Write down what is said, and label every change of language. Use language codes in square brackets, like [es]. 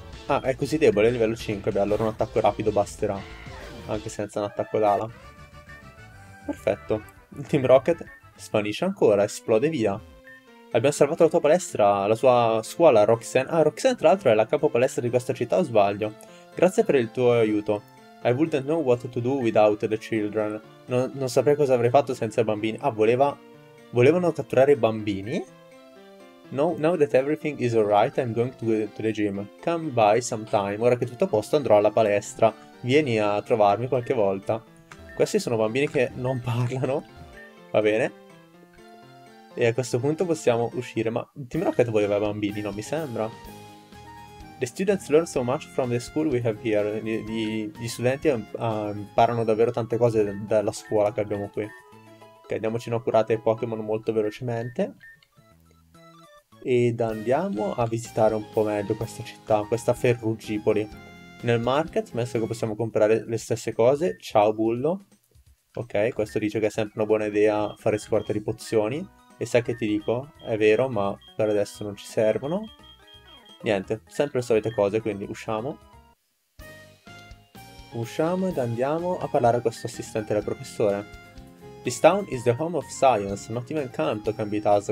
[it] Ah, è così debole, livello 5, beh, allora un attacco rapido basterà. Anche senza un attacco d'ala. Perfetto. Il Team Rocket svanisce ancora, esplode via. Abbiamo salvato la tua palestra, la sua scuola, Roxanne. Ah, Roxanne tra l'altro è la capo palestra di questa città, o sbaglio? Grazie per il tuo aiuto. [en] I wouldn't know what to do without the children. [it] Non saprei cosa avrei fatto senza i bambini. Ah, volevano catturare i bambini? [en] No, now that everything is alright, I'm going to the gym. Come by sometime. [it] Ora che tutto a posto andrò alla palestra. Vieni a trovarmi qualche volta. Questi sono bambini che non parlano. Va bene. E a questo punto possiamo uscire. Ma Team Rocket voleva bambini, non mi sembra. [en] The students learn so much from the school we have here. [it] Gli studenti imparano davvero tante cose dalla scuola che abbiamo qui. Ok, andiamoci in curate i Pokémon molto velocemente. Ed andiamo a visitare un po' meglio questa città, questa Ferruggipoli. Nel market, messo che possiamo comprare le stesse cose. Ciao Bullo. Ok, questo dice che è sempre una buona idea fare scorta di pozioni. E sai che ti dico? È vero, ma per adesso non ci servono. Niente, sempre le solite cose, quindi usciamo. Usciamo ed andiamo a parlare a questo assistente del professore. [en] This town is the home of science, not even Kanto can beat us.